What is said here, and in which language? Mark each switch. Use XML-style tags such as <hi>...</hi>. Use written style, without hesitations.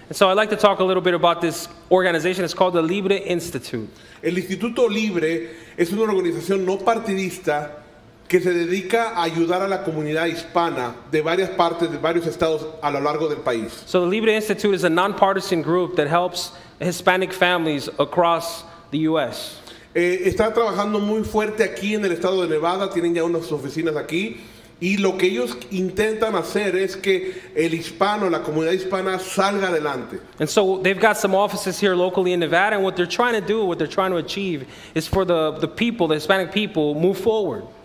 <en>And so I'd like to talk a little bit about this organization. It's called the Libre Institute.</en> <es>El Instituto Libre es una organización no partidista. que se dedica a ayudar a la comunidad hispana de varias partes, de varios estados a lo largo del país.</es> <en>So the Libre Institute is a nonpartisan group that helps Hispanic families across the U.S.</en> <es>Está trabajando muy fuerte aquí en el estado de Nevada, tienen ya unas oficinas aquí, y lo que ellos intentan hacer es que el hispano, la comunidad hispana, salga adelante.</es> <en>And so they've got some offices here locally in Nevada, and what they're trying to do, what they're trying to achieve, is for the people, the Hispanic people, move forward.</en>